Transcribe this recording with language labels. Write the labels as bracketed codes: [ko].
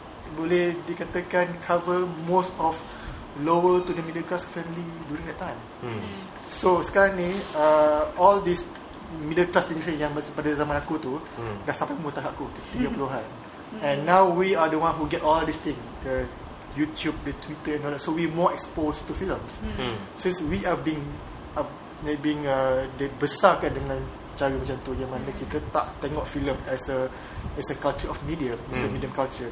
[ms] Boleh dikatakan [en] cover most of lower to the middle class family during that time. [ms] So sekarang ni [en] all this middle class [ms] ini yang pada zaman aku tu dah sampai umur tahap aku 30-an. [en] And now we are the one who get all these things, the YouTube, the Twitter and all that. So we more exposed to films. Since we are [ms] dibesarkan dengan cara macam tu, yang mana kita tak tengok film [en] as a culture of media, as a medium culture.